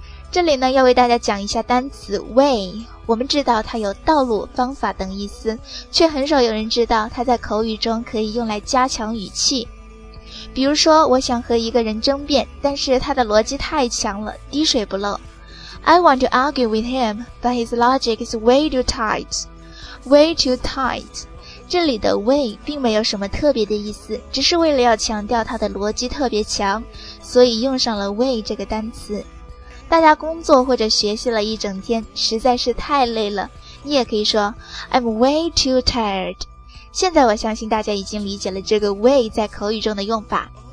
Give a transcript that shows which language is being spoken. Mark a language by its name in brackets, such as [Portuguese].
[Chinese] 这里呢要为大家讲一下单词 way, 我们知道它有道路、方法等意思，却很少有人知道它在口语中可以用来加强语气。比如说我想和一个人争辩，但是他的逻辑太强了，滴水不漏。 [English] I want to argue with him, but his logic is way too tight. Way too tight. [Chinese] 这里的 way 并没有什么特别的意思，只是为了要强调他的逻辑特别强，所以用上了 way 这个单词。大家工作或者学习了一整天，实在是太累了，你也可以说 [English] I'm way too tired。 [Chinese] 现在我相信大家已经理解了这个 way 在口语中的用法。